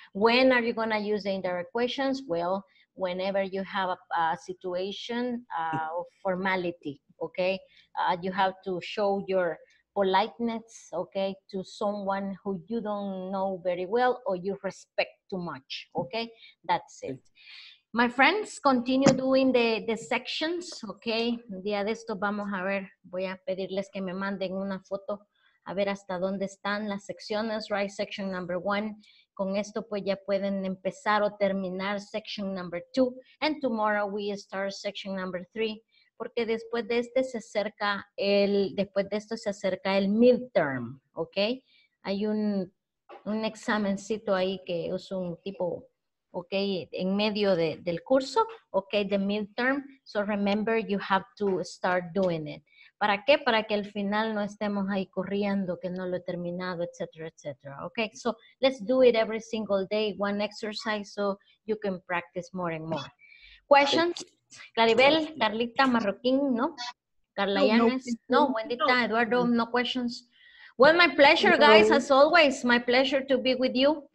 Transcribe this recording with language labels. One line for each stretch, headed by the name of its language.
English: When are you going to use the indirect questions? Well, whenever you have a situation of formality, okay? You have to show your politeness, okay, to someone who you don't know very well or you respect too much, okay? That's it. My friends, continue doing the sections, okay?
Spanish: Un día de esto vamos a ver, voy a pedirles que me manden una foto, a ver hasta dónde están las secciones, right?
English: Section number one.
Spanish: Con esto pues ya pueden empezar o terminar
English: section number two. And tomorrow we start section number three.
Spanish: Porque después de este se acerca el, después de esto se acerca el midterm, okay? Hay un examencito ahí que es un tipo... Okay, en medio de, del curso, okay, the midterm.
English: So remember, you have to start doing it.
Spanish: ¿Para qué? Para que al final no estemos ahí corriendo, que no lo he terminado, etc., etc.
English: Okay, so let's do it every single day, one exercise, so you can practice more and more. Questions? Claribel, Carlita, Marroquín, no? Carla Yanes? No, no. No, Wendita, no. Eduardo, no questions. Well, my pleasure, guys, as always, my pleasure to be with you.